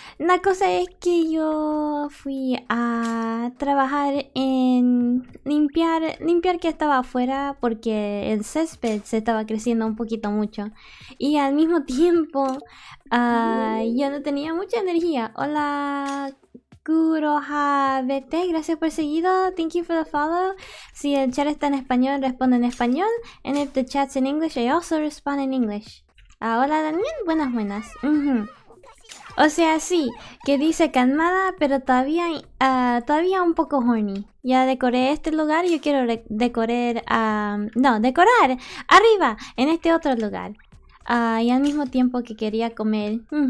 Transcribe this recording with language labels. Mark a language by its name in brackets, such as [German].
[Spanish] La cosa es que yo fui a trabajar en limpiar que estaba afuera porque el césped se estaba creciendo un poquito mucho. Y al mismo tiempo, yo no tenía mucha energía. Hola, Kuroha BT, gracias por seguido. [English] Thank you for the follow. [Spanish] Si el chat está en español, responde en español. [English] And if the chat's in English, I also respond in English. [Spanish] Hola Daniel, buenas. O sea, sí, que dice calmada, pero todavía un poco horny. Ya decoré este lugar, yo quiero decorar arriba, en este otro lugar. Y al mismo tiempo que quería comer.